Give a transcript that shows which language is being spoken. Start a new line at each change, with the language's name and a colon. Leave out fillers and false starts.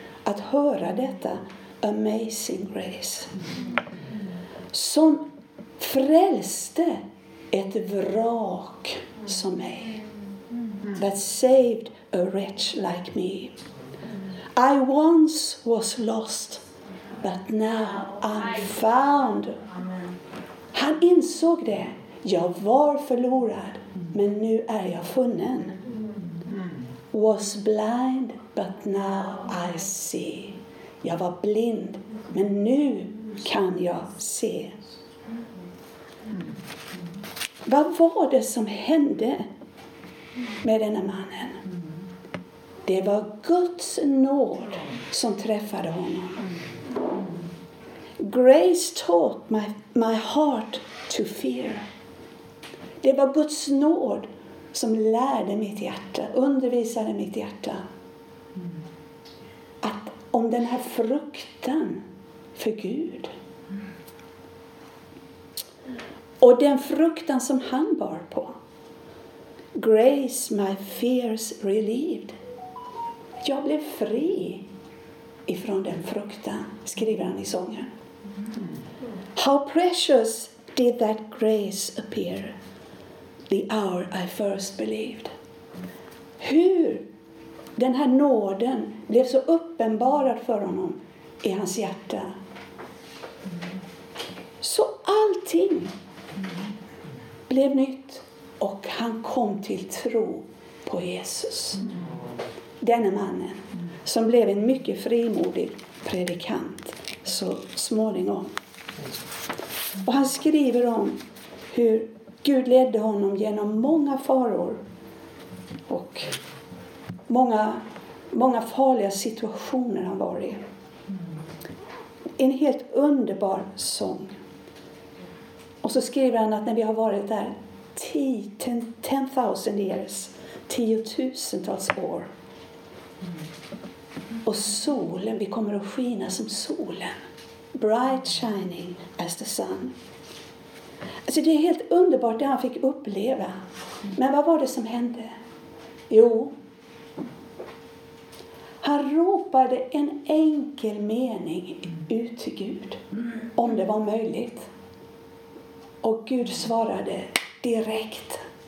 Swedish: Att höra detta, amazing grace, som frälste ett vrak som mig.
English: That saved a wretch like me. I once was lost, but now I'm found.
Swedish: Han insåg det. Jag var förlorad, men nu är jag funnen.
English: Was blind, but now I see.
Swedish: Jag var blind, men nu kan jag se. Vad var det som hände med denna mannen? Det var Guds nåd som träffade honom.
English: Grace taught my heart to fear.
Swedish: Det var Guds nåd som lärde mitt hjärta, undervisade mitt hjärta. Att om den här fruktan för Gud. Och den fruktan som han bar på.
English: Grace my fears relieved.
Swedish: Jag blev fri ifrån den fruktan, skriver han i sången.
English: How precious did that grace appear the hour I first believed.
Swedish: Hur den här nåden blev så uppenbarad för honom i hans hjärta. Så allting blev nytt och han kom till tro på Jesus. Denna mannen som blev en mycket frimodig predikant så småningom. Och han skriver om hur Gud ledde honom genom många faror och många, många farliga situationer han var i. En helt underbar sång. Och så skriver han att när vi har varit där
English: 10,000 years,
Swedish: 10,000-tals år. Och solen, vi kommer att skina som solen.
English: Bright shining as the sun.
Swedish: Alltså det är helt underbart det han fick uppleva. Men vad var det som hände? Jo, han ropade en enkel mening ut till Gud. Om det var möjligt. Och Gud svarade direkt.